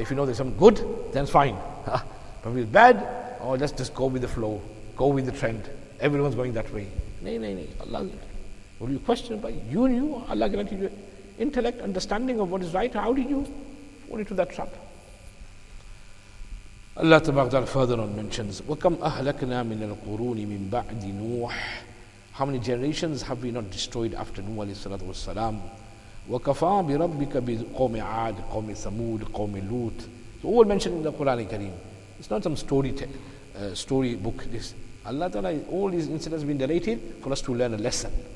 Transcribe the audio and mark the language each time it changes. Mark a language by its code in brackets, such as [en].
[en] If you know there's something good, then fine. But if it's bad, let's just go with the flow. Go with the trend. Everyone's going that way. Allah. Will you question? But you, Allah granted you intellect, understanding of what is right. How did you fall into that trap? Allah Ta'ala further on mentions, [ar] وَكَمْ أَهْلَكْنَا مِنَ الْقُرُونِ مِنْ بَعْدِ نُوحٍ. [en] How many generations have we not destroyed after Nuh alayhi salatu wa salam? [ar] وَكَفَى بِرَبِّكَ بِقَوْمِ عَادٍ قَوْمِ ثَمُودٍ قَوْمِ لُوتٍ. [en] It's all mentioned in the Quran al-Kareem. It's not some story book. This Allah Ta'ala, all these incidents have been narrated for us to learn a lesson.